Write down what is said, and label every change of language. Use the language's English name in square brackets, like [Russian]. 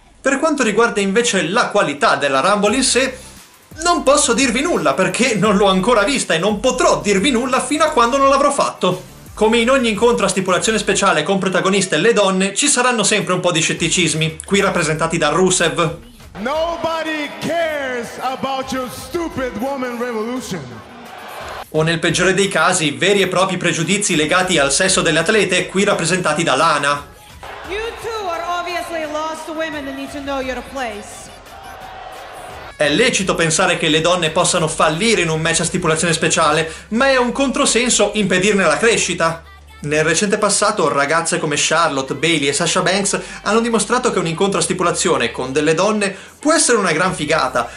[Italian] Per quanto riguarda invece la qualità della Rumble in sé, non posso dirvi nulla perché non l'ho ancora vista e non potrò dirvi nulla fino a quando non l'avrò fatto. Come in ogni incontro a stipulazione speciale con protagoniste le donne, ci saranno sempre un po' di scetticismi, qui rappresentati da Rusev. [English] Nobody cares about your stupid woman revolution. [Italian] O nel peggiore dei casi, veri e propri pregiudizi legati al sesso delle atlete, qui rappresentati da Lana. [English] You two are obviously lost women that need to know your place. [Italian] È lecito pensare che le donne possano fallire in un match a stipulazione speciale, ma è un controsenso impedirne la crescita. Nel recente passato, ragazze come Charlotte, Bayley e Sasha Banks hanno dimostrato che un incontro a stipulazione con delle donne può essere una gran figata.